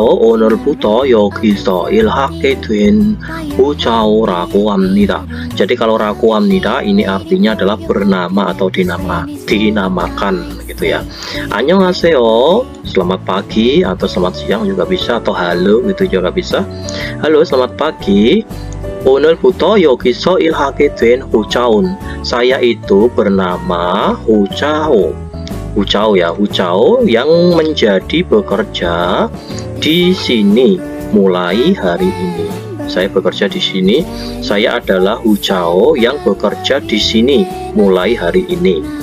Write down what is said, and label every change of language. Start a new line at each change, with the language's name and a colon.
Korean: 오늘부터 여기서 일하게 된 부자오라고 합니다.
Indonesian: Jadi kalau
Korean: 라고 합니다
Indonesian: ini artinya adalah bernama atau dinamakan gitu ya.
Korean: 안녕하세요.
Indonesian: Selamat pagi atau selamat siang juga bisa, atau halo gitu juga bisa. Halo, selamat pagi.
Korean: 오늘부터 여기서 일하게 된 부자온.
Indonesian: Saya itu bernama Hucao. Hucao ya, Hucao yang menjadi bekerja di sini mulai hari ini. Saya bekerja di sini. Saya adalah Hucao yang bekerja di sini mulai hari ini.